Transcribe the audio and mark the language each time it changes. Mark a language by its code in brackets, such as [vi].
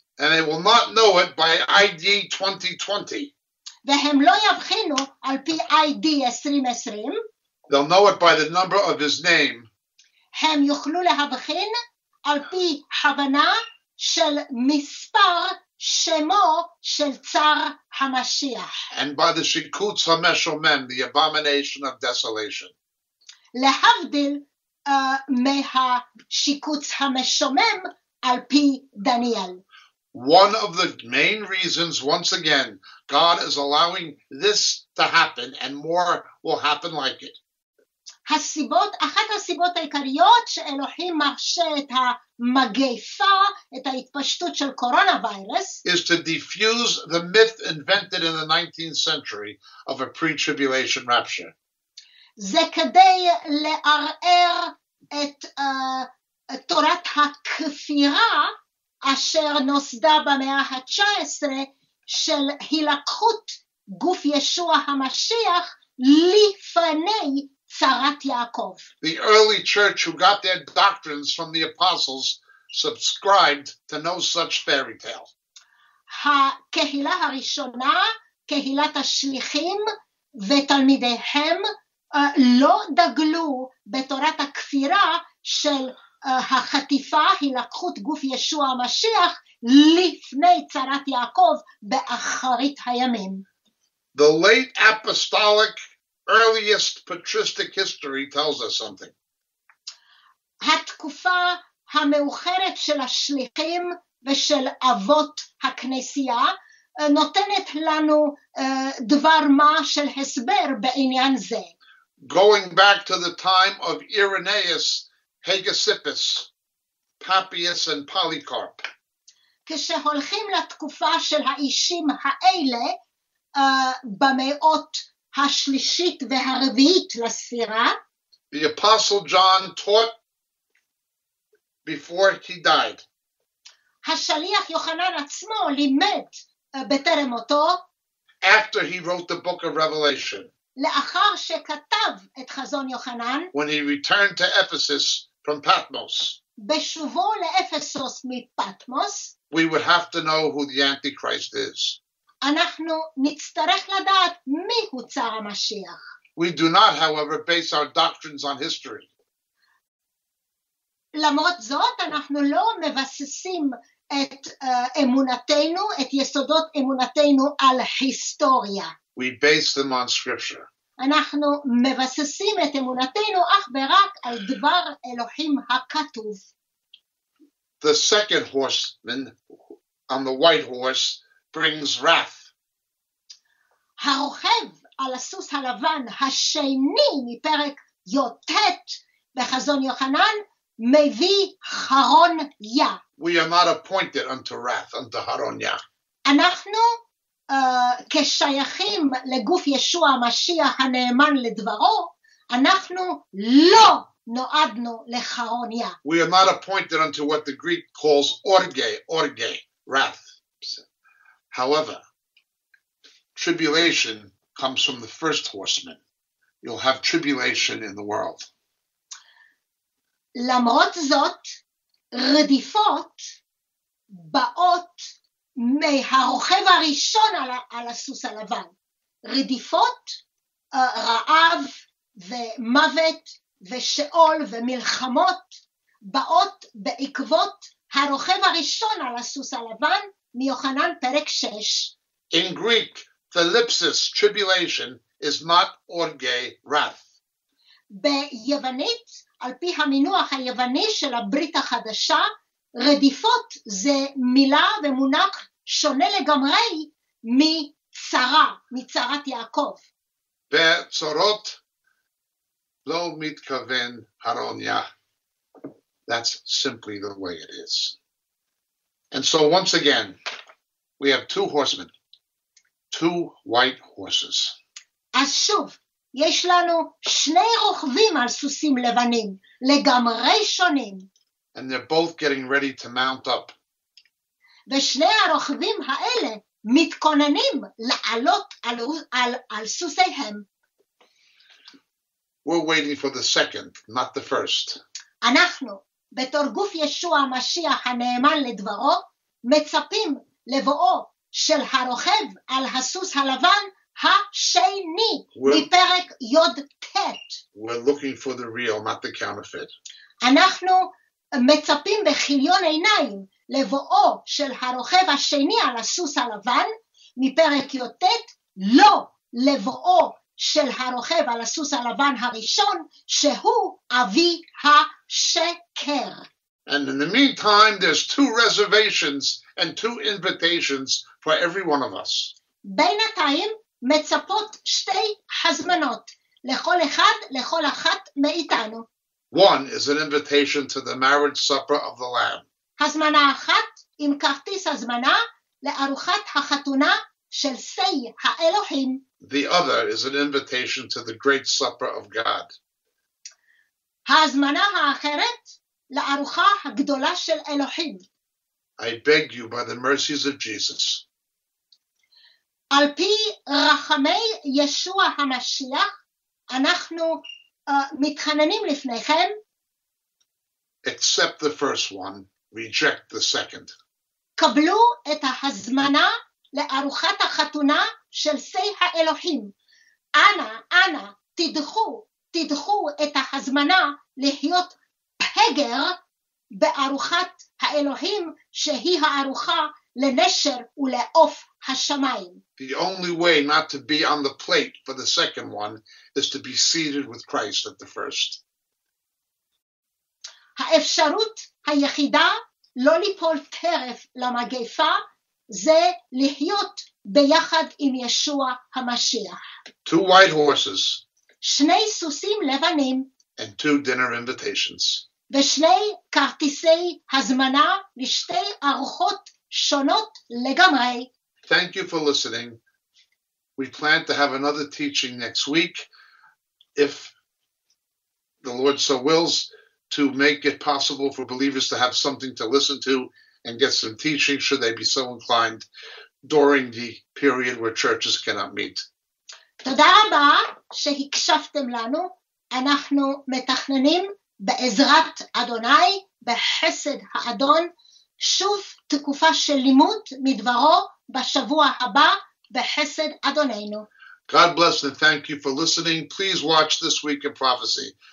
[en] And they will not know it by ID 2020. [he] והם לא יבחינו על פי ID 2020. [en] They'll know it by the number of his name. [he] הם יוכלו להבחין על פי הבנה של מספר שמו של צר המשיח. [en] And by the Shikuts HaMeshomem, the abomination of desolation. [he] להבדיל מהשיקוץ המשומם על פי דניאל. [en] One of the main reasons, once again, God is allowing this to happen, and more will happen like it. [he] הסיבות, אחת הסיבות העיקריות שאלוהים מרשה את המגפה, את ההתפשטות של קורונה וירוס, [en] is to diffuse the myth invented in the 19th century of a pre-tribulation rapture. [he] זה כדי לערער את תורת הכפירה אשר נוסדה במאה ה-19 של הילקחות גוף ישוע המשיח לפני צרת יעקב. [en] The early church who got their doctrines from the apostles subscribed to no such fairy tale. [he] הקהילה הראשונה, קהילת השליחים ותלמידיהם לא דגלו בתורת הכפירה של החטיפה, הילקחות גוף ישוע המשיח לפני צרת יעקב באחרית הימים. [en] The late apostolic earliest patristic history tells us something. [he] התקופה המאוחרת של השליחים ושל אבות הכנסייה נותנת לנו דבר מה של הסבר בעניין זה. [en] Going back to the time of Irenaeus, Hegesippus, Papias, and Polycarp. [he] כשהולכים לתקופה של האישים האלה, במאות השלישית והרביעית לספירה, [en] the Apostle John taught before he died. [he] השליח יוחנן עצמו לימד בטרם מותו. [en] After he wrote the book of Revelation. [he] לאחר שכתב את חזון יוחנן, [en] when he returned to Ephesus from Patmos, [he] בשובו לאפסוס מפטמוס, [en] we would have to know who the Antichrist is. [he] אנחנו נצטרך לדעת מי הוא צר המשיח. [en] We do not, however, base our doctrines on history. [he] למרות זאת, אנחנו לא מבססים את אמונתנו, את יסודות אמונתנו על היסטוריה. [en] We base them on scripture. [he] אנחנו מבססים את אמונתנו אך ורק על דבר אלוהים הכתוב. [en] The second horseman on the white horse brings wrath. [he] הרוכב על הסוס הלבן השני מפרק יוטט בחזון יוחנן מביא חרון יה. [en] We are not appointed unto wrath, unto חרון יה. [he] אנחנו כשייכים לגוף ישוע המשיח הנאמן לדברו, אנחנו לא נועדנו לחרוניה. [en] We are not appointed unto what the Greek calls orge, orge, wrath. However, tribulation comes from the first horseman. You'll have tribulation in the world. [he] למרות זאת, רדיפות באות מהרוכב הראשון על הסוס הלבן. רדיפות, רעב ומוות ושאול ומלחמות באות בעקבות הרוכב הראשון על הסוס הלבן מיוחנן פרק 6. [en] In Greek, thlipsis, tribulation, is not orge, wrath. [he] ביוונית, על פי המינוח היווני של הברית החדשה, רדיפות זה מילה ומונח שונה לגמרי מצרה, מצרת יעקב. בצורות לא מתכוון הרוניה. [en] That's simply the way it is. And so once again, we have two horsemen, two white horses. [he] אז שוב, יש לנו שני רוכבים על סוסים לבנים, לגמרי שונים. [en] And they're both getting ready to mount up. [he] ושני הרוכבים האלה מתכוננים לעלות על סוסיהם. [en] We're waiting for the second, not the first. [he] אנחנו, בתור גוף ישוע המשיח הנאמן לדברו, מצפים לבואו של הרוכב על הסוס הלבן השני מפרק יוטט. [en] We're looking for the real, not the counterfeit. [he] אנחנו מצפים בחיליון עיניים לבואו של הרוכב השני על הסוס הלבן מפרק יוטט, לא לבואו של הרוכב על הסוס הלבן הראשון שהוא אבי השקר. [en] And in the meantime, there's two reservations and two invitations for every one of us. [he] בינתיים מצפות שתי הזמנות לכל אחד, לכל אחת מאיתנו. [en] One is an invitation to the marriage supper of the Lamb. [he] הזמנה אחת עם כרטיס הזמנה לארוחת החתונה של סי האלוהים. [en] The other is an invitation to the great supper of God. [he] ההזמנה האחרת לארוחה הגדולה של אלוהים. [en] I beg you by the mercies of Jesus. [he] על פי רחמי ישוע המשיח, אנחנו מתחננים לפניכם. [en] Accept the first one, reject the second. [he] קבלו את ההזמנה לארוחת החתונה של סי האלוהים. אנא, אנא, תדחו, תדחו את ההזמנה להיות פגר בארוחת האלוהים, שהיא הארוחה לנשר ולעוף השמיים. [en] The only way not to be on the plate for the second one is to be seated with Christ at the first. [he] האפשרות היחידה לא ליפול טרף למגפה זה להיות ביחד עם ישוע המשיח. [en] Two white horses. [he] שני סוסים לבנים. [en] And two dinner invitations. [he] ושני כרטיסי הזמנה לשתי ארוחות שונות לגמרי. [en] Thank you for listening. We plan to have another teaching next week, if the Lord so wills, to make it possible for believers to have something to listen to and get some teaching, should they be so inclined, during the period where churches cannot meet. [he] תודה רבה שהקשבתם לנו. אנחנו מתכננים בעזרת אדוני, בחסד האדון, שוב תקופה של לימוד מדברו בשבוע הבא, בחסד אדוננו. [en] God bless and thank you for listening. Please watch This Week in Prophecy.